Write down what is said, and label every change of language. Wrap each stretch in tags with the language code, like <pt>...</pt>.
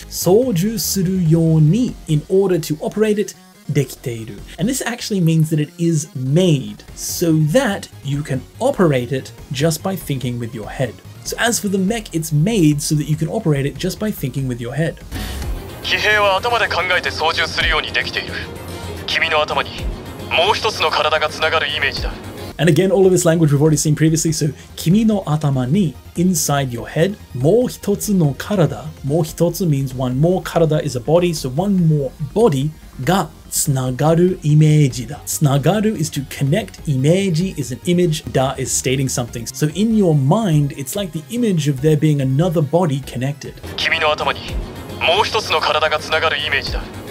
<ja>操縦するように,</ja> <en>in order to operate it,</en> <ja>できている.</ja> <en>And this actually means that it is made, so that you can operate it just by thinking with your head. So as for the mech, it's made so that you can operate it just by thinking with your head.</en> <ja>騎兵は頭で考えて操縦するようにできている。君の頭にもう一つの体がつながるイメージだ。</ja> <en>And again, all of this language we've already seen previously, so</en> <ja>君の頭に,</ja> <en>inside your head,</en> <ja>もう一つの体,</ja> <en>もう一つ means one more, 体 is a body, so one more body</en> <ja>がつながるイメージだ。</ja> <en>つながる is to connect, イメージ is an image, だ is stating something. So in your mind, it's like the image of there being another body connected.</en> <ja>君の頭にもう一つの体がつながるイメージだ。</ja>